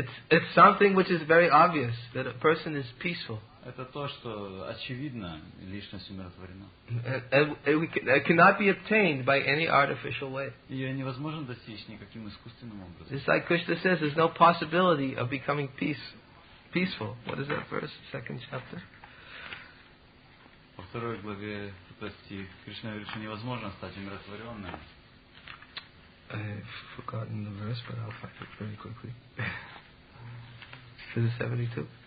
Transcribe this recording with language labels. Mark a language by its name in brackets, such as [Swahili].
[English] It's something which is very obvious that a person is peaceful. [Russian] Это то, что очевидно, личность умиротворена. [English] It cannot be obtained by any artificial way. [Russian] Ее невозможно достичь никаким искусственным образом. [English] It's like Krishna says, there's no possibility of becoming peaceful. What is that verse? Second chapter. [Russian] Во второй главе этот стих Кришна говорит, что невозможно стать умиротворенным. [English] I've forgotten the verse, but I'll find it very quickly. Is it 72?